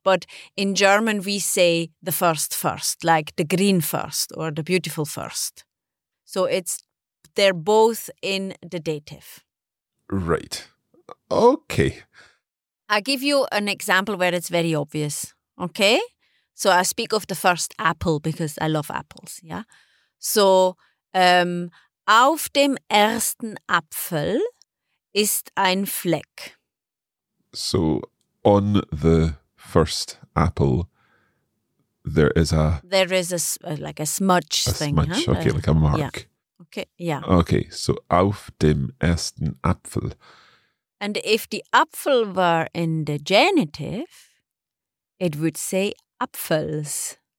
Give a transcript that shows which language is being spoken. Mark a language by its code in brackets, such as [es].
[en] But in German, we say the first, like the green first or the beautiful first. So it's, they're both in the dative. Right. Okay. I'll give you an example where it's very obvious. Okay. So I speak of the first apple because I love apples. Yeah. [de] So auf dem ersten Apfel ist ein Fleck. [en] So on the first apple, there is a... There is a smudge a thing. A smudge, huh? Okay, like a mark. Yeah. Okay, yeah. Okay, so [de] auf dem ersten Apfel. [en] And if the apfel were in the genitive, it would say Apfels.